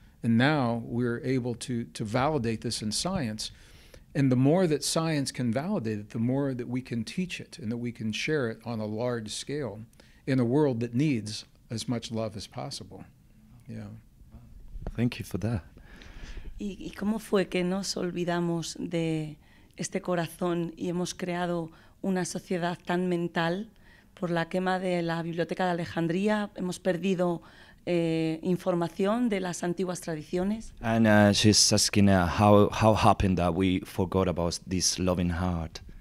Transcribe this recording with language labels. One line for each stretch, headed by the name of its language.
English: And now we're able to validate this in science. And the more that science can validate it, the more that we can teach it and that we can share it on a large scale in a world that needs as much love as possible. Yeah. Thank you for that.
Spanish: ¿Y cómo fue que nos olvidamos de este corazón y hemos creado una sociedad tan mental por la quema de la Biblioteca de Alejandría? Hemos perdido información de las antiguas tradiciones.
English: And she's asking how happened that we forgot about this loving heart.